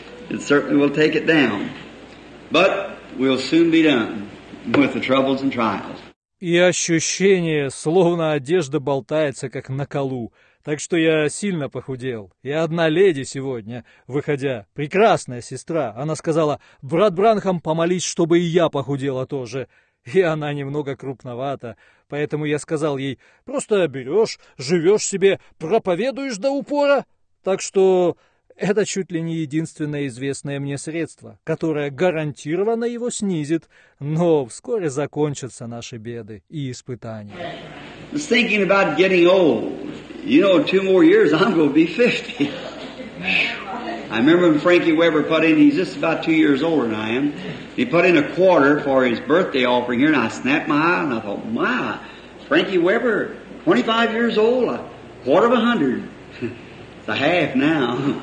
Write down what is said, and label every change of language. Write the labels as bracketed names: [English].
[English] It certainly will take it down. But we'll soon be done with the troubles and trials. [Russian] И ощущение, словно одежда болтается, как на колу. Так что я сильно похудел. И одна леди сегодня, выходя, прекрасная сестра, она сказала, брат Бранхам, помолись, чтобы и я похудела тоже. И она немного крупновата. Поэтому я сказал ей, просто берешь, живешь себе, проповедуешь до упора. Так что это чуть ли не единственное известное мне средство, которое гарантированно его снизит, но вскоре закончатся наши беды и испытания. [English] I was thinking about getting old. You know, two more years, I'm going to be 50. I remember when Frankie Weber put in, he's just about 2 years older than I am, he put in a quarter for his birthday offering here, and I snapped my eye, and I thought, my, Frankie Weber, 25 years old, a quarter of a hundred. A half now.